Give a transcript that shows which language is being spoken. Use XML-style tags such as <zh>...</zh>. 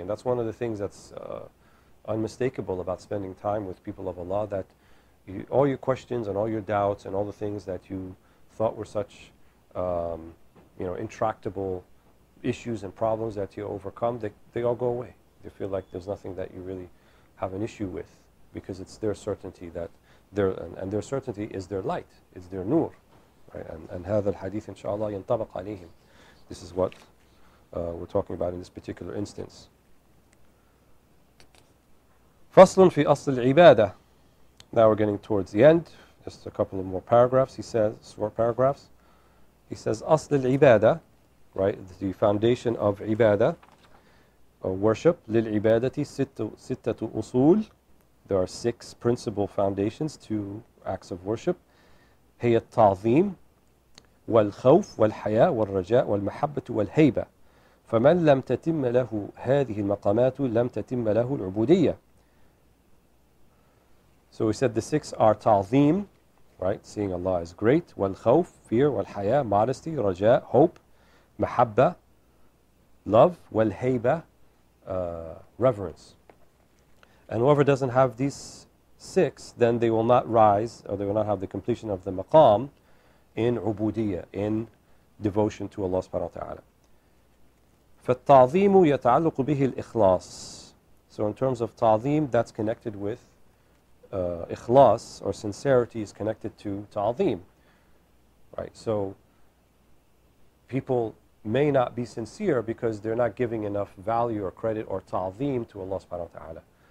<en>And that's one of the things that's unmistakable about spending time with people of Allah, that you, all your questions and all your doubts and all the things that you thought were such, you know, intractable issues and problems that you overcome, they all go away. They feel like there's nothing that you really have an issue with, because it's their certainty that their and their certainty is their light, it's their nur. Right? And</en> <ar>هذا الحديث إن شاء الله ينطبق عليهم.</ar> <en>This is what we're talking about in this particular instance.</en> <ar>فصل في أصل العبادة.</ar> <en>Now we're getting towards the end. Just a couple of more paragraphs. He says, four paragraphs. He says,</en> <ar>أصل العبادة,</ar> <en>right? The foundation of عبادة, or worship.</en> <ar>للعبادة ستة أصول.</ar> <en>There are six principal foundations to acts of worship.</en> <ar>هي التعظيم والخوف والحياء والرجاء والمحبة والهيبة فمن لم تتم له هذه المقامات لم تتم له العبودية.</ar> <en>So we said the six are تعظيم, right? Seeing Allah is great. والخوف, fear. والحياء, modesty. رجاء, hope. محبة, love. والهيبة, reverence. And whoever doesn't have these six, then they will not rise, or they will not have the completion of the maqam in ubudiyya, in devotion to Allah subhanahu wa ta'ala.</en> <ar>فالتعظيم يتعلق به الإخلاص.</ar> <en>So in terms of ta'zim, that's connected with ikhlas, or sincerity is connected to ta'zim. Right, so people may not be sincere because they're not giving enough value or credit or ta'zim to Allah subhanahu wa ta'ala.</en>